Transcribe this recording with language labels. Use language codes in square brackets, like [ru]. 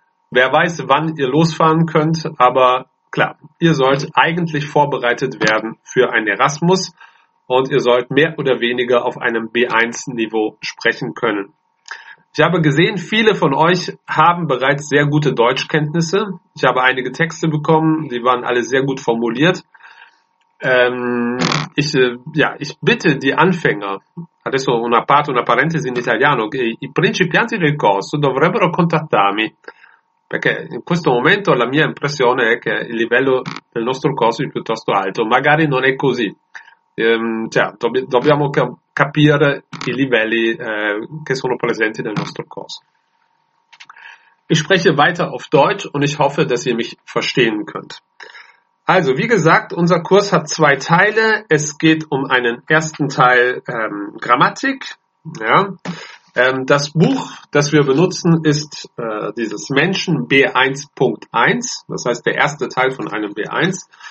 [de] Wer weiß, wann ihr losfahren könnt, aber klar, ihr sollt eigentlich vorbereitet werden für ein Erasmus. Und ihr sollt mehr oder weniger auf einem B1-Niveau sprechen können. Ich habe gesehen, viele von euch haben bereits sehr gute Deutschkenntnisse. Ich habe einige Texte bekommen, die waren alle sehr gut formuliert. Ja, ich bitte die Anfänger, [it] adesso una parte, una parentesi in italiano, che i principianti del corso dovrebbero contattarmi, perché in questo momento la mia impressione è che il livello del nostro corso è piuttosto alto. Magari non è così. Dobbiamo capire i livelli, che sono presenti nel nostro corso. [de] Ich spreche weiter auf Deutsch und ich hoffe, dass ihr mich verstehen könnt. Also, wie gesagt, unser Kurs hat zwei Teile. Es geht um einen ersten Teil, Grammatik. Ja. Das Buch, das wir benutzen, ist dieses Menschen B1.1, das heißt der erste Teil von einem B1.